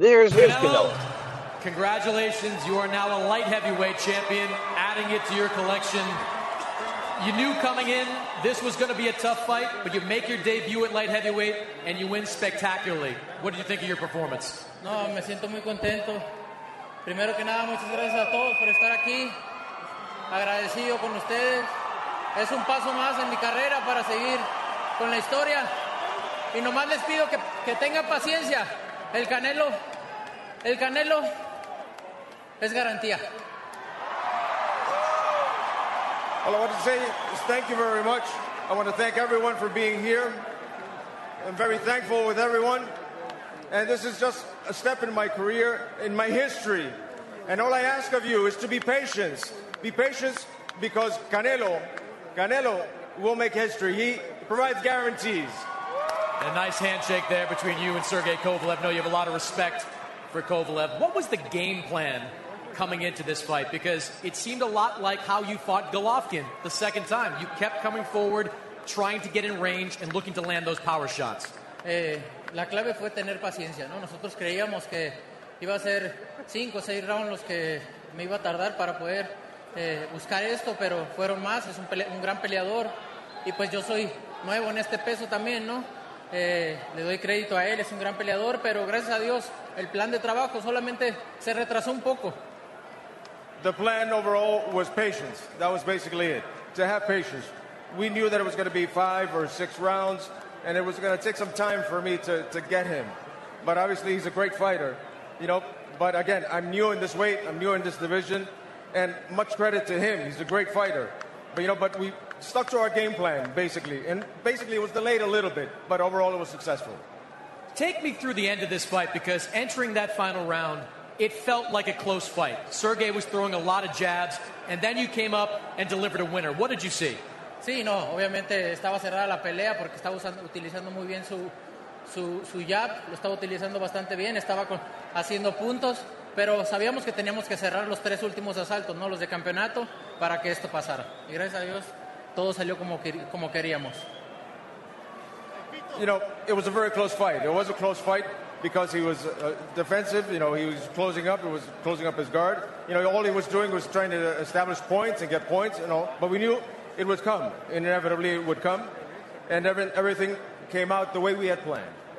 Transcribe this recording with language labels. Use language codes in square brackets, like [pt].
[en] There's Canelo. Congratulations, you are now a light heavyweight champion, adding it to your collection. You knew coming in this was going to be a tough fight, but you make your debut at light heavyweight and you win spectacularly. What did you think of your performance? [es] No, me siento muy contento. Primero que nada, muchas gracias a todos por estar aquí. Agradecido con ustedes. Es un paso más en mi carrera para seguir con la historia. Y nomás les pido que tengan paciencia. El Canelo es garantía. [en] All I want to say is thank you very much. I want to thank everyone for being here. I'm very thankful with everyone. And this is just a step in my career, in my history. And all I ask of you is to be patient. Be patient because Canelo will make history. He provides guarantees. And a nice handshake there between you and Sergey Kovalev. I know you have a lot of respect for Kovalev. What was the game plan coming into this fight? Because it seemed a lot like how you fought Golovkin the second time. You kept coming forward, trying to get in range and looking to land those power shots. [es] La clave fue tener paciencia, ¿no? Nosotros creíamos que iba a ser 5 o 6 rounds los que me iba a tardar para poder buscar esto, pero fueron más. Es un gran peleador. Y pues yo soy nuevo en este peso también, ¿no? Le doy crédito a él, es un gran peleador, pero gracias a Dios, el plan de trabajo solamente se retrasó un poco. [en] The plan overall was patience. That was basically it. To have patience. We knew that it was going to be 5 or 6 rounds, and it was going to take some time for me to get him. But obviously, he's a great fighter, you know. But again, I'm new in this weight, I'm new in this division, and much credit to him. He's a great fighter. But, you know, but we stuck to our game plan, basically. And basically, it was delayed a little bit, but overall, it was successful. Take me through the end of this fight, because entering that final round, it felt like a close fight. Sergey was throwing a lot of jabs, and then you came up and delivered a winner. What did you see? [es] Sí, no, obviamente estaba cerrada la pelea porque estaba utilizando muy bien su jab. Lo estaba utilizando bastante bien, estaba haciendo puntos, pero sabíamos que teníamos que cerrar los 3 últimos asaltos, no los de campeonato, para que esto pasara. Y gracias a Dios, todo salió como queríamos. [en] You know, it was a very close fight. It was a close fight because he was defensive. You know, he was closing up. He was closing up his guard. You know, all he was doing was trying to establish points and get points, you know. But we knew it would come. Inevitably, it would come. And everything came out the way we had planned.